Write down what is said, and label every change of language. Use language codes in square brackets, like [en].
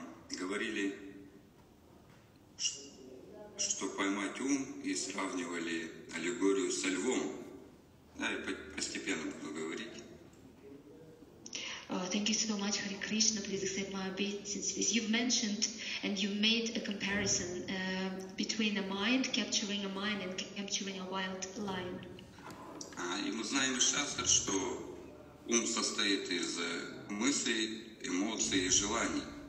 [ru] Говорили, что поймать ум, и сравнивали аллегорию со львом. Да, я постепенно буду говорить. [en] Thank you so much, Hare Krishna. Please accept my obeisances. You've mentioned and you made a comparison between a mind, capturing a mind, and capturing a wild lion. [ru] И мы знаем из шастр, что ум состоит из мыслей, эмоций и желаний.